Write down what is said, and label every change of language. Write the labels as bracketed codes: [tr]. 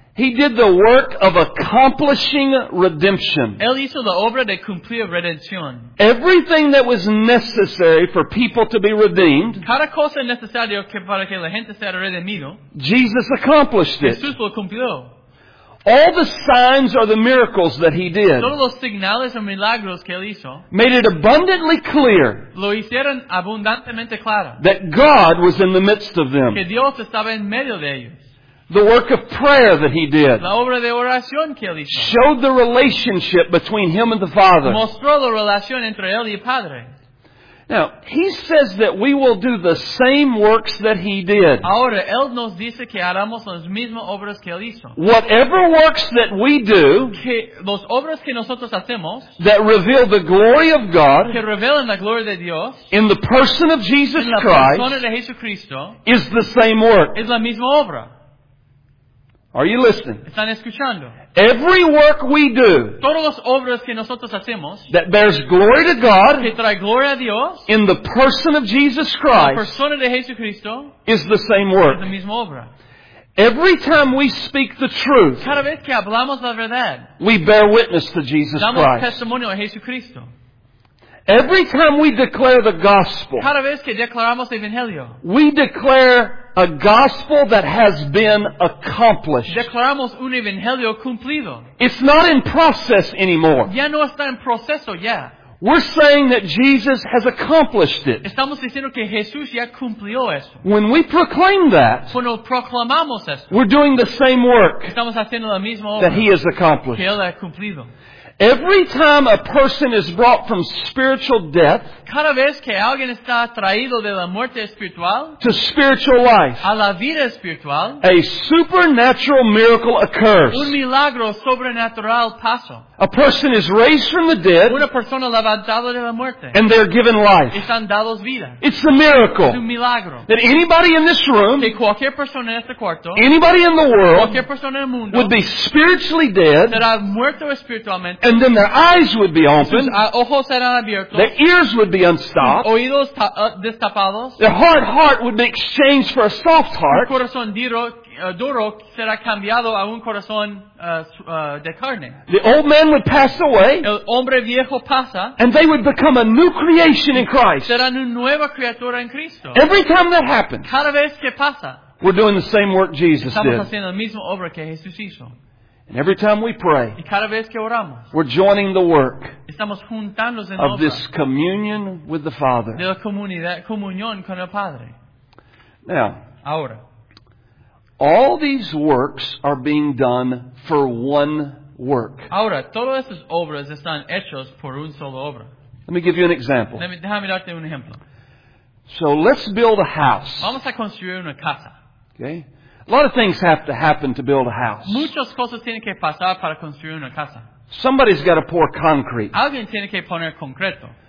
[en] He did the work of accomplishing redemption. [es] Él hizo la obra de cumplir redención. [en] Everything that was necessary for people to be redeemed, [es] cada cosa necesaria para que la gente sea redimido, [en] Jesus accomplished it. [es] Jesús lo cumplió. [en] All the signs or the miracles that he did, [es] todos los señales o milagros que él hizo, [en] made it abundantly clear, [es] lo hicieron abundantemente claro, [en] that God was in the midst of them, [es] que Dios estaba en medio de ellos. [en] The work of prayer that he did, [es] la obra de oración que él hizo, [en] showed the relationship between him and the Father, [es] mostró la relación entre él y el Padre. [en] Now, he says that we will do the same works that he did. [es] Ahora, él nos dice que haremos las mismas obras que él hizo. [en] Whatever works that we do, [es] que los obras que nosotros hacemos, [en] that reveal the glory of God, [es] que revelan la gloria de Dios, [en] in the person of Jesus Christ, [es] en la persona de Jesucristo, [en] is the same work. [es] Es la misma obra. [en] Are you listening? [es] Están escuchando. [en] Every work we do, [es] todas las obras que nosotros hacemos, [en] that bears glory to God, [es] que trae gloria a Dios, [en] in the person of Jesus Christ, [es] la persona de Jesucristo, [en] is the same work. [es] Es la misma obra. [en] Every time we speak the truth, [es] cada vez que hablamos la verdad, [en] we bear witness to Jesus [es] damos [en] Christ. [es] Damos testimonio a Jesucristo. [en] Every time we declare the gospel, [es] cada vez que declaramos el evangelio, [en] we declare a gospel that has been accomplished. [es] Declaramos un evangelio cumplido. [en] It's not in process anymore. [es] Ya no está en proceso ya. [en] We're saying that Jesus has accomplished it. [es] Estamos diciendo que Jesús ya cumplió eso. [en] When we proclaim that, [es] cuando proclamamos eso, [en] we're doing the same work, [es] estamos haciendo la misma obra, [en] that he has accomplished, [es] que él ha cumplido. [en] Every time a person is brought from spiritual death, [es] cada vez que alguien está traído de la muerte espiritual, [en] to spiritual life, [es] a la vida espiritual, [en] a supernatural miracle occurs. [es] Un milagro sobrenatural pasa. [en] A person is raised from the dead, [es] una persona levantada de la muerte, [en] and they're given life. [es] Están dados vida. [en] It's a miracle. [es] Es un milagro. [en] That anybody in this room, [es] que cualquier persona en este cuarto, [en] anybody in the world, [es] cualquier persona en el mundo, [en] would be spiritually dead, [es] será muerto espiritualmente. [en] And then their eyes would be opened. [es] Ojos eran abiertos. [en] Their ears would be unstopped. [es] Oídos destapados. [en] Their hard heart would be exchanged for a soft heart. [es] Un corazón duro será cambiado a un corazón de carne. [en] The old man would pass away. [es] El hombre viejo pasa. [en] And they would become a new creation in Christ. [es] Serán una nueva criatura en Cristo. [en] Every time that happens, [es] cada vez que pasa, [en] we're doing the same work Jesus [es] estamos [en] did. [es] Estamos haciendo la misma obra que Jesús hizo. [en] And every time we pray, [es] y cada vez que oramos, [en] we're joining the work [es] estamos juntándonos en [en] of otra, this communion with the Father. [es] De la comunidad, comunión con el Padre. [en] Now, [es] ahora, [en] all these works are being done for one work. [es] Ahora, todas estas obras están hechas por una sola obra. [en] Let me give you an example. [es] Déjame darte un ejemplo. [en] So let's build a house. [es] Vamos a construir una casa. [en] Okay. A lot of things have to happen to build a house. [es] Muchas cosas tienen que pasar para construir una casa. [en] Somebody's got to pour concrete. [es] Alguien tiene que poner concreto.